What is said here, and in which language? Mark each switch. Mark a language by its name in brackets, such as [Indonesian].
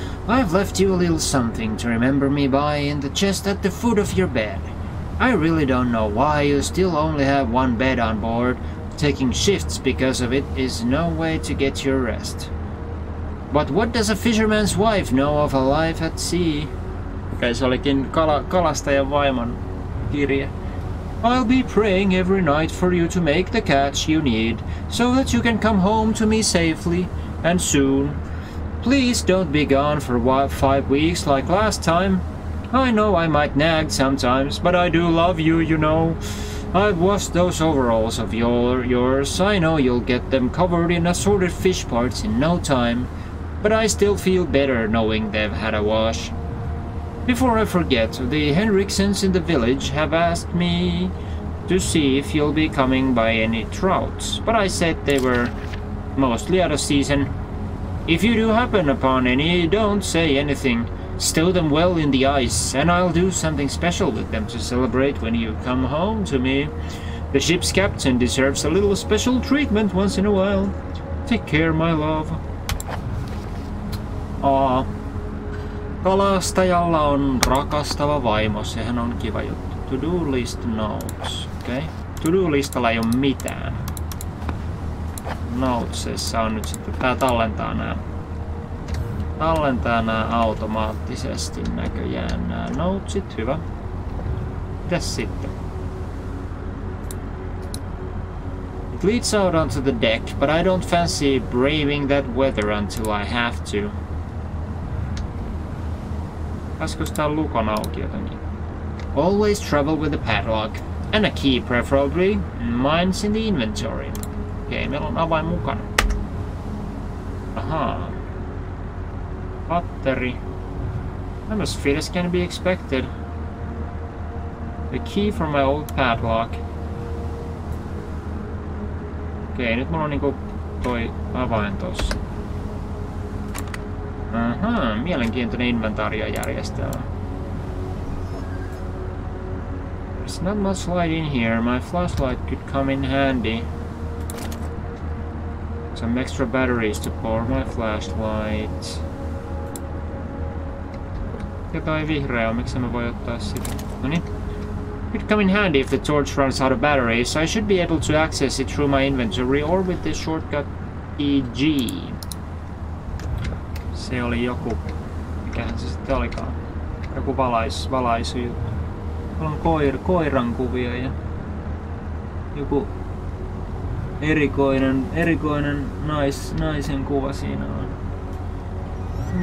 [English] I've left you a little something to remember me by in the chest at the foot of your bed. I really don't know why you still only have one bed on board. Taking shifts because of it is no way to get your rest. But what does a fisherman's wife know of a life at sea? [Finnish] Okay, se olikin kalastajan vaimon kirje. [English] I'll be praying every night for you to make the catch you need, so that you can come home to me safely and soon. Please don't be gone for 5 weeks like last time. I know I might nag sometimes, but I do love you, you know. I've washed those overalls of yours. I know you'll get them covered in assorted fish parts in no time. But I still feel better knowing they've had a wash. Before I forget, the Henriksens in the village have asked me to see if you'll be coming by any trouts. But I said they were mostly out of season. If you do happen upon any, don't say anything. Stow them well in the ice, and I'll do something special with them to celebrate when you come home to me. The ship's captain deserves a little special treatment once in a while. Take care, my love. Aa. [Finnish] Kalastajalla on rakastava vaimo, sehän on kiva juttu. [English] To-do list notes, [Finnish] okei? Okay. To-do listalla ei oo mitään. Notesissa on nyt sitten, tää tallentaa nää. Tallentaa nää automaattisesti näköjään nää notesit, hyvä. Mitäs sitten? [English] It leads out onto the deck, but I don't fancy braving that weather until I have to. [Finnish] Pääskö sitä lukon auki jotenkin? [English] Always travel with a padlock. And a key preferably. Mine's in the inventory. [Finnish] Okei, meillä on avain mukana. Ahaa. Batteri. [English] I'm as fit as can be expected. The key for my old padlock. [Finnish] Okei, nyt mulla on niinku toi avain tossa. Ahaa, mielenkiintoinen inventaariojärjestelmä. [English] There's not much light in here. My flashlight could come in handy. Some extra batteries to power my flashlight. [Finnish] Ja toi vihreä, miksi mä voin ottaa sitä? Noniin. [English] Could come in handy if the torch runs out of batteries. I should be able to access it through my inventory or with the shortcut EG. [Finnish] Se oli joku. Mikähän se sitten olikaan? Joku valaisujuttu. Täällä on koiran kuvia ja joku erikoinen naisen kuva siinä on.